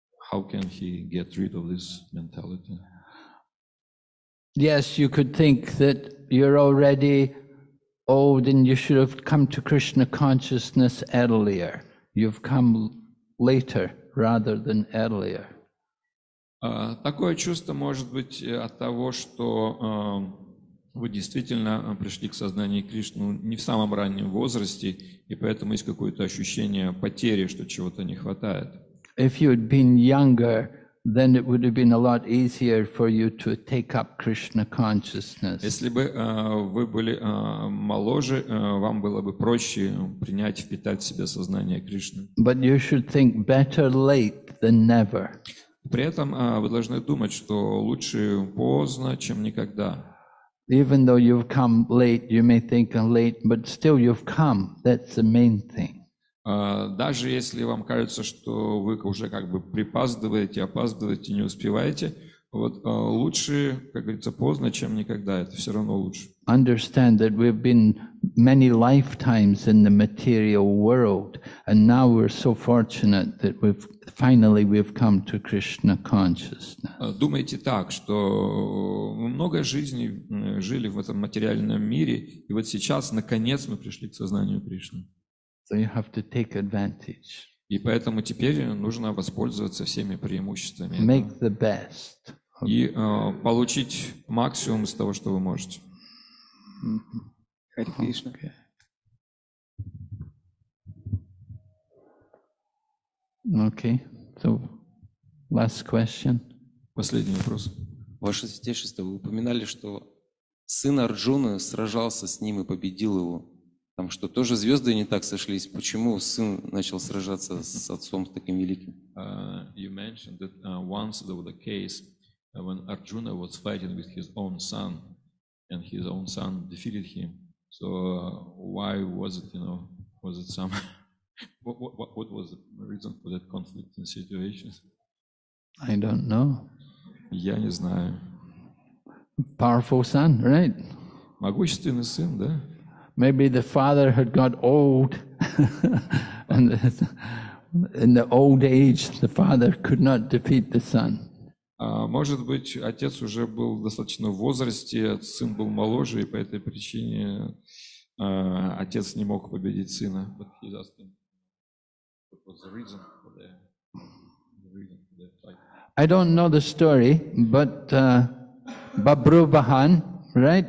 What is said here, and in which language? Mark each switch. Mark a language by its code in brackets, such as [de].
[en] How can he get rid of this mentality? Yes, you could think that you're already old and you should have come to Krishna consciousness earlier. You've come later rather than earlier. [ru] Такое чувство может быть от того, что вы действительно пришли к сознанию Кришны не в самом раннем возрасте, и поэтому есть какое-то ощущение потери, что чего-то не хватает. [en] If you had been younger, then it would have been a lot easier for you to take up Krishna consciousness. [ru] Если бы вы были моложе, вам было бы проще принять, впитать в себя сознание Кришны. [en] But you should think better late than never. [ru] При этом вы должны думать, что лучше поздно, чем никогда. [en] Even though you've come late, you may think I'm late, but still you've come. That's the main thing. [ru] Даже если вам кажется, что вы уже как бы опаздываете, не успеваете, вот лучше, как говорится, поздно, чем никогда. Это все равно лучше. [en] Understand that we've been many lifetimes in the material world, and now we're so fortunate that finally we've come to Krishna consciousness. [ru] Думайте так, что мы много жизней жили в этом материальном мире, и вот сейчас наконец мы пришли к сознанию Кришны. [en] So you have to take advantage. [ru] И поэтому теперь нужно воспользоваться всеми преимуществами. [en] Make the best. [ru] И получить максимум из того, что вы можете. Хари Кришна. [en] Okay. So last question. [ru] Последний вопрос. Ваше святейшество, вы упоминали, что сын Арджуны сражался с ним и победил его. Там что, тоже звезды не так сошлись? Почему сын начал сражаться с отцом таким великим? [en] You mentioned that once there was a case when Arjuna was fighting with his own son, and his own son defeated him. So why was it, you know, was it some... what was the reason for that conflict in situation? I don't know. [ru] Я не знаю. [en] Powerful son, right? [ru] Могущественный сын, да? [en] Maybe the father had got old, and in the old age, the father could not defeat the son. [ru] Может быть, отец уже был достаточно в возрасте, сын был моложе, и по этой причине отец не мог победить сына. [en] But he was asking, what was the reason for the fight? I don't know the story, but Babrubahan, right?